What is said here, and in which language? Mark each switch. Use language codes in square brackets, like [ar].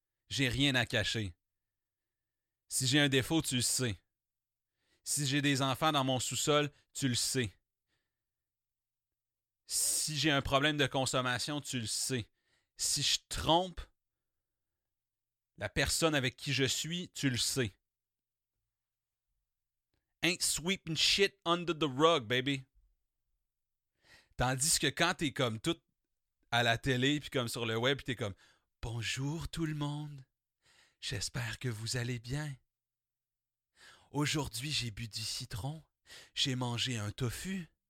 [fr] J'ai rien à cacher. Si j'ai un défaut, tu le sais. Si j'ai des enfants dans mon sous-sol, tu le sais. Si j'ai un problème de consommation, tu le sais. Si je trompe la personne avec qui je suis, tu le sais. [en] Ain't sweeping shit under the rug, baby. [fr] Tandis que quand t'es comme tout à la télé, puis comme sur le web, puis t'es comme « Bonjour tout le monde, j'espère que vous allez bien. » Aujourd'hui, j'ai bu du citron, j'ai mangé un tofu.